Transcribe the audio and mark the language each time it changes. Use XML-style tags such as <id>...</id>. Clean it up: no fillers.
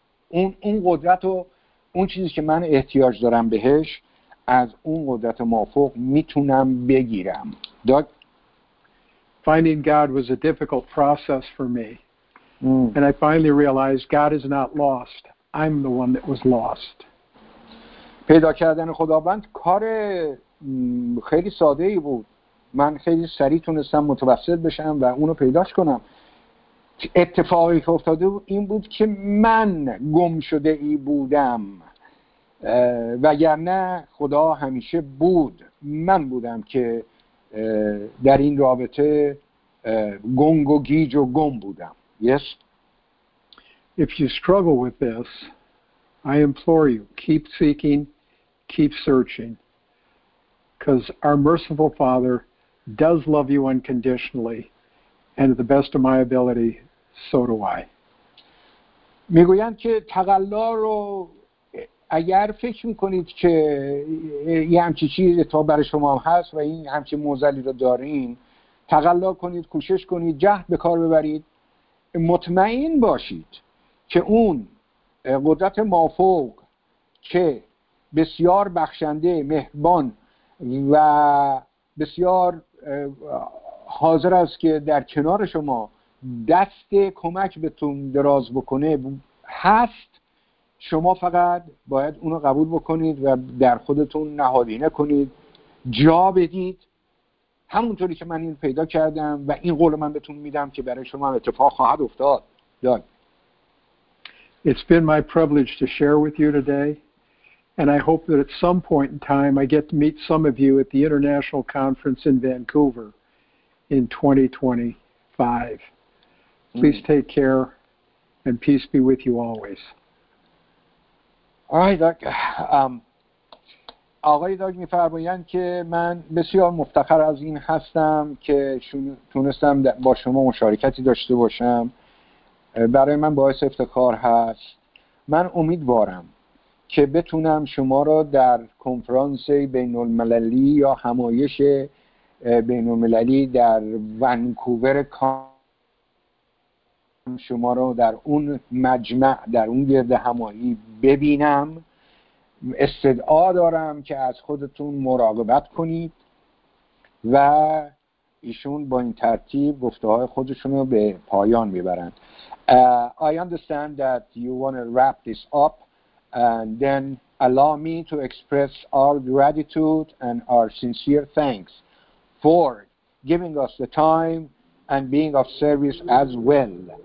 <fa>اون قدرت و اون چیزی که من احتیاج دارم بهش از اون قدرت مافوق میتونم بگیرم.</fa> <en>Finding God was a difficult process for me. And I finally realized God is not lost. I'm the one that was lost.</en> <fa>پیدا کردن خداوند کار خیلی ساده ای بود. من خیلی سریع تونستم متوسل بشم و اونو پیداش کنم. اتفاقی که افتاده بود این بود که من گم شده ای بودم، وگرنه خدا همیشه بود، من بودم که در این رابطه گنگ و گیج و گم بودم.</fa> <en>Yes. If you struggle with this, I implore you, keep seeking, keep searching, because our merciful Father does love you unconditionally, and to the best of my ability, so do I.</en> <fa>میگویند که تقلا رو اگر فکر میکنید که یه همچی چیز اتفاق برای شما هست و این همچی معضلی رو دارین، تقلا کنید، کوشش کنید، جهد به کار ببرید، مطمئن باشید که اون قدرت مافوق که بسیار بخشنده، مهربان و بسیار حاضر است که در کنار شما دست کمک بهتون دراز بکنه هست، شما فقط باید اونو قبول بکنید و در خودتون نهادینه کنید، جا بدید همونطوری که من این پیدا کردم و این قول من بهتون میدم که برای شما اتفاق خواهد افتاد. داد.</fa> <en>It's been my privilege to share with you today, and I hope that at some point in time I get to meet some of you at the International Conference in Vancouver in 2025. Please take care, and peace be with you always. All right, Doug.</en> <fa>آقای داگ می فرمایند که من بسیار مفتخر از این هستم که تونستم با شما مشارکتی داشته باشم. برای من باعث افتخار هست. من امیدوارم که بتونم شما را در کنفرانس بین المللی یا همایش بین المللی در ونکوور کام شما را در اون مجمع در اون گرد همایی ببینم. استدعا دارم که از خودتون مراقبت کنید و ایشون با این ترتیب گفته های خودشون رو به پایان میبرند.</fa> <en>I understand that you want to wrap this up, and then allow me to express our gratitude and our sincere thanks for giving us the time and being of service as well.</en>